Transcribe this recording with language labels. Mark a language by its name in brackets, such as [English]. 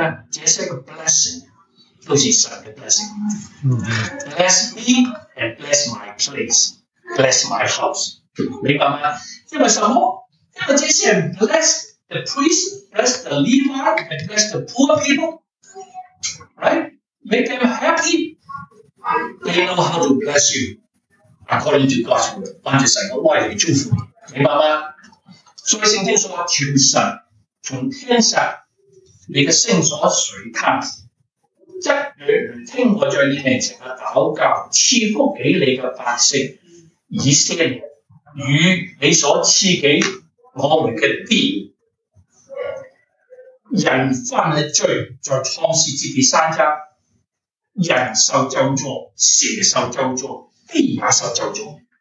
[Chinese] 这些的 blessing 都是神的 blessing。 [English] Bless me and bless my place。 Bless my house， [Chinese] 明白吗？这个什么？这个这些 [English] bless the priest， bless the Levite， bless the poor people， right？ Make them happy。 They know how to bless you according to God's word， [Chinese] 按着神的话语祝福你，明白吗？所以圣经说，求神从天上你的圣所垂看，即有人听我在你面前的祷告，赐福给你的百姓。以色列与你所赐给我们的地，人犯了罪，在创世纪第三章，人受咒诅，蛇受咒诅，地也受咒诅。